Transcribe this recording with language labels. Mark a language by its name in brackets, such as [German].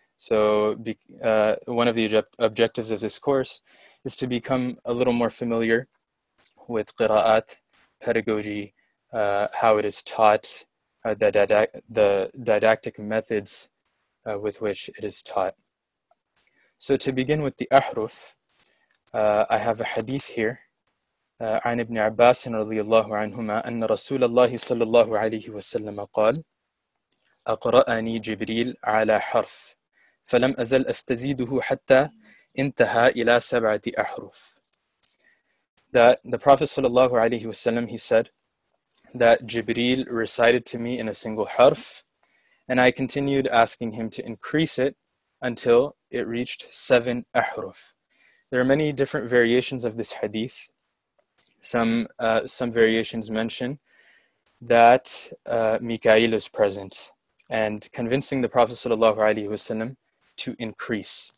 [English] So one of the objectives of this course is to become a little more familiar with Qira'at pedagogy, how it is taught, the didactic methods with which it is taught. So to begin with the Ahruf, I have a hadith here [Arabic] عن ابن عباس رضي الله عنهما أن رسول الله صلى الله عليه وسلم قال أقرأني جبريل على حرف فلم أزل أستزيده حتى انتهى إلى سبعة أحرف. [English] That the Prophet sallallahu alaihi wasallam, he said that Jibril recited to me in a single harf, and I continued asking him to increase it until it reached seven ahruf. There are many different variations of this hadith. Some variations mention that Mikail is present and convincing the Prophet sallallahu alaihi wasallam to increase.